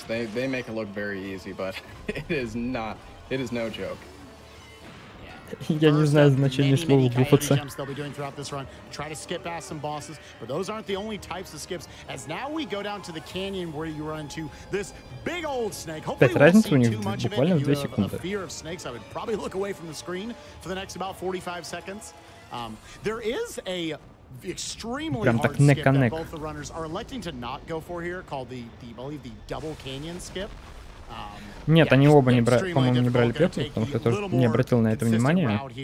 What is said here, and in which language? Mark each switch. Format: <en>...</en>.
<en>They make it look very easy, but it is not, it is no joke.</en> <ru>Я не знаю значения слова буфаться.</ru> <en>They'll be doing throughout this run. Try to skip past some bosses, but those aren't the only types of skips. As now we go down to the canyon where you run into this big old snake. Hopefully, we'll see too much of it.</en> <ru>Буквально в 2 секунды.</ru> <en>Fear of snakes. I would probably look away from the screen for the next about 45 seconds. There is a extremely hard skip that both the runners are electing to not go for here, called the I believe the double canyon skip.</en> <ru>Нет, они оба не брали, по-моему, не брали петлю, потому что я тоже не обратил на это внимания.</ru>